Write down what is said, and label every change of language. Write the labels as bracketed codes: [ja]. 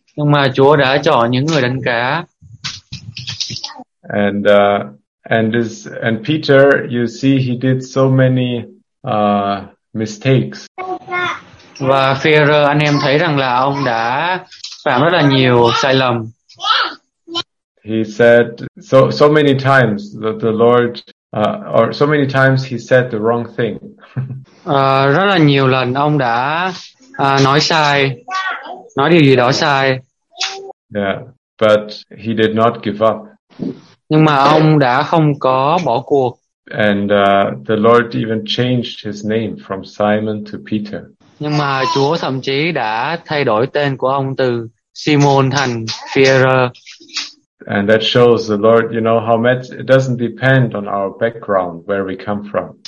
[vi] Nhưng mà Chúa đã chọn những người đánh cá. [en] And Peter, you see, he did so many mistakes. [vi] Và Phêrô, anh em thấy rằng là ông đã phạm rất là nhiều sai lầm. [en] He said so many times that the Lord or so many times he said the wrong thing. [vi] Rất là nhiều lần ông đã nói sai, nói điều gì đó sai. [en] Yeah, but he did not give up. [vi] Nhưng mà ông đã không có bỏ cuộc. [en] And the Lord even changed his name from Simon to Peter. [vi] Nhưng mà Chúa thậm chí đã thay đổi tên của ông từ Simon thành Phêrô. [en] And that shows the Lord, you know, how much it doesn't depend on our background, where we come from.